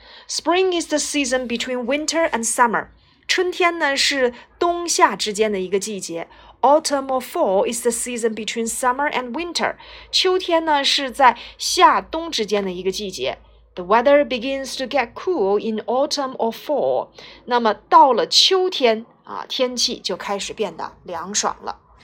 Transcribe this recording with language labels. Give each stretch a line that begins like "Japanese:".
English: Spring is the season between winter and summer.
Chinese: 春天呢是冬夏之间的一个季节。
English: Autumn or fall is the season between summer and winter.
Chinese: 秋天呢是在夏冬之间的一个季节。
English: The weather begins to get cool in autumn or fall.
Chinese: 那么到了秋天啊，天气就开始变得凉爽了。